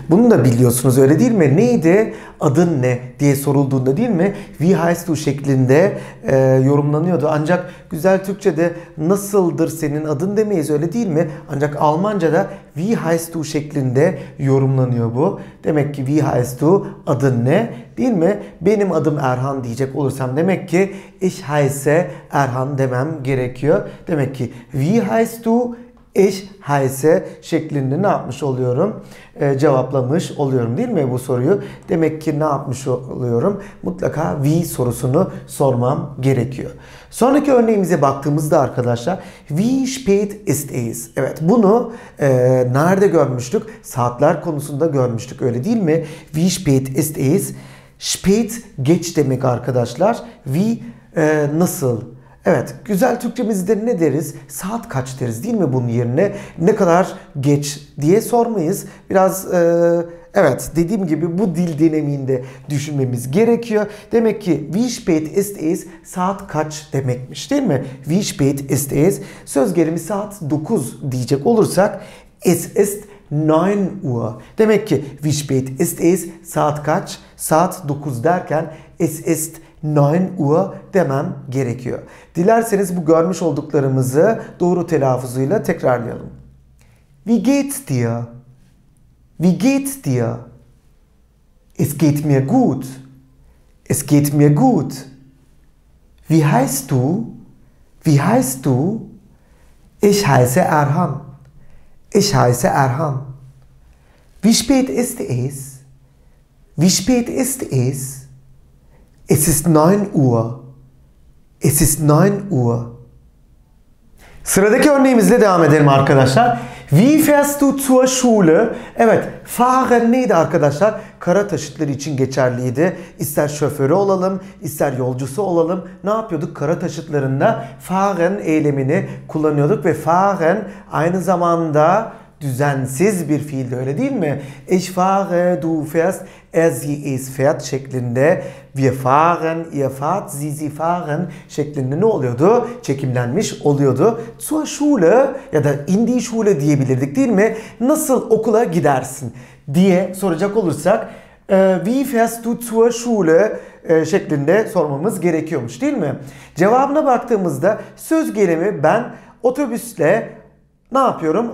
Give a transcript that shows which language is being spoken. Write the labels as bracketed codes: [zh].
[tr] Bunu da biliyorsunuz, öyle değil mi? Neydi? Adın ne? Diye sorulduğunda, değil mi? [de] Wie heißt du [tr] şeklinde yorumlanıyordu. Ancak güzel Türkçe'de nasıldır senin adın demeyiz, öyle değil mi? Ancak Almanca'da [de] wie heißt du [tr] şeklinde yorumlanıyor bu. Demek ki [de] wie heißt du, [tr] adın ne? Değil mi? Benim adım Erhan diyecek olursam demek ki [de] ich heiße Erhan [tr] demem gerekiyor. Demek ki [de] wie heißt du, ich heiße [tr] şeklinde ne yapmış oluyorum? Cevaplamış oluyorum, değil mi bu soruyu? Demek ki ne yapmış oluyorum? Mutlaka wie sorusunu sormam gerekiyor. Sonraki örneğimize baktığımızda arkadaşlar [de] wie spät ist es? [tr] Evet, bunu nerede görmüştük? Saatler konusunda görmüştük, öyle değil mi? [de] Wie spät ist es? [tr] Spät geç demek arkadaşlar. Wie nasıl? Evet, güzel Türkçemizde ne deriz? Saat kaç deriz, değil mi bunun yerine? Ne kadar geç diye sormayız. Biraz evet, dediğim gibi bu dil dinamiğinde düşünmemiz gerekiyor. Demek ki [de] wie spät ist es, [tr] saat kaç demekmiş, değil mi? [de] Wie spät ist es, [tr] söz gelimi saat 9 diyecek olursak [de] es ist 9 Uhr. [tr] Demek ki [de] wie spät ist es, [tr] saat kaç? Saat 9 derken [de] es ist 9 Uhr [tr] demem gerekiyor. Dilerseniz bu görmüş olduklarımızı doğru telaffuzuyla tekrarlayalım. [de] Wie geht's dir? Wie geht's dir? Es geht mir gut. Es geht mir gut. Wie heißt du? Wie heißt du? Ich heiße Erhan. Ich heiße Erhan. Wie spät ist es? Wie spät ist es? Es ist 9 Uhr. Es ist 9 Uhr. [tr] Sıradaki örneğimizle devam edelim arkadaşlar. [de] Wie fährst du zur Schule? [tr] Evet, fahren neydi arkadaşlar? Kara taşıtları için geçerliydi. İster şoförü olalım, ister yolcusu olalım. Ne yapıyorduk? Kara taşıtlarında fahren eylemini kullanıyorduk. Ve fahren aynı zamanda düzensiz bir fiildi, öyle değil mi? [de] Ich fahre, du fährst, er, sie, es fährt [tr] şeklinde. [de] Wir fahren, ihr fahrt, sie, sie fahren [tr] şeklinde ne oluyordu? Çekimlenmiş oluyordu. [de] Zur Schule [tr] ya da [de] in die Schule [tr] diyebilirdik, değil mi? Nasıl okula gidersin diye soracak olursak [de] wie fährst du zur Schule [tr] şeklinde sormamız gerekiyormuş, değil mi? Cevabına baktığımızda söz gelimi ben otobüsle ne yapıyorum?